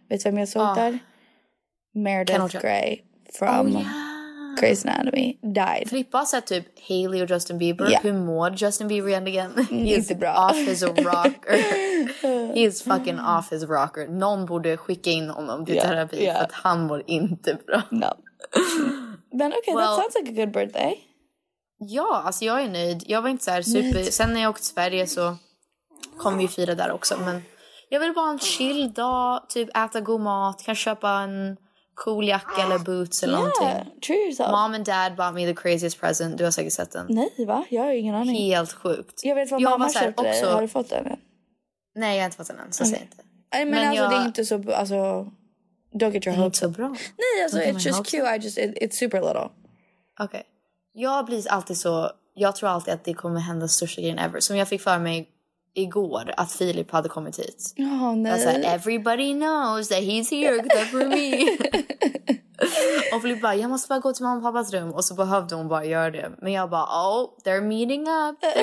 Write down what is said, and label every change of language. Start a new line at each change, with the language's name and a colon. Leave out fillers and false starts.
Swedish: Vet du vem jag såg där? Meredith Grey from Grey's Anatomy. Died. Filippa har sett typ Hailey och Justin Bieber. Yeah. Hur mår Justin Bieber egentligen?
English: He's
Swedish: bra.
English: Off his rocker. He's fucking off his rocker.
Swedish: Någon borde skicka in honom till terapi för att han mår inte bra.
English: No.
Swedish: Men okej,
English: okay, that sounds like a good birthday.
Swedish: Ja, alltså jag är nöjd. Jag var inte så här super... Sen när jag åkte till Sverige så kom vi fira där också. Men jag ville bara ha en chill dag, typ äta god mat, kanske köpa en cool jacka eller boots eller någonting.
English: True yourself. Mom and dad bought me the craziest present.
Swedish: Du har säkert sett den. Nej, va? Jag har ingen aning. Helt sjukt. Jag vet vad mamma köpte dig. Också... Har du fått den än? Nej, jag har inte fått den än, så säg inte. Nej, men alltså det är inte så... Alltså,
English: don't get your hopes.
Swedish: Det är inte så bra. Nej, alltså
English: it's just cute. It's super little.
Swedish: Okej. Okay. Jag blir alltid så, jag tror alltid att det kommer hända största grejen ever. Som jag fick för mig igår, att Filip hade kommit hit. Oh, nej. Jag sa,
English: everybody knows that he's here, except for me.
Swedish: Och Filip bara, jag måste bara gå till mamma och pappas rum. Och så behövde hon bara göra det. Men jag bara,
English: oh, they're meeting up.